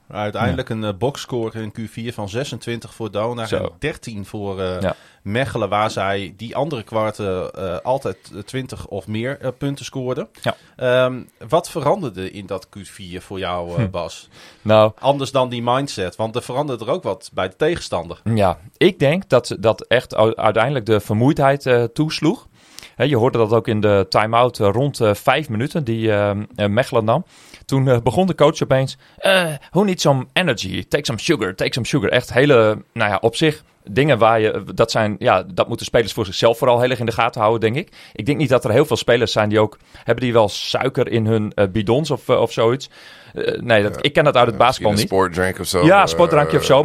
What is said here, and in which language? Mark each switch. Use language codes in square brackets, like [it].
[nl] Uiteindelijk een boxscore in Q4 van 26 voor Donar en 13 voor Mechelen, waar zij die andere kwarten altijd 20 of meer punten scoorden. Ja. Wat veranderde in dat Q4 voor jou, Bas? Nou, anders dan die mindset, want er veranderde er ook wat bij de tegenstander. Ja, ik denk dat echt uiteindelijk de vermoeidheid toesloeg. Je hoorde dat ook in de time-out rond 5 minuten die Mechelen nam. Toen begon de coach opeens, [en] who needs some energy? Take some sugar. [nl] Echt hele, op zich dingen waar je, dat moeten spelers voor zichzelf vooral heel erg in de gaten houden, denk ik. Ik denk niet dat er heel veel spelers zijn die ook, hebben die wel suiker in hun bidons of zoiets? Ik ken dat uit het basketbal niet. Sportdrank of zo. Ja, sportdrankje of zo.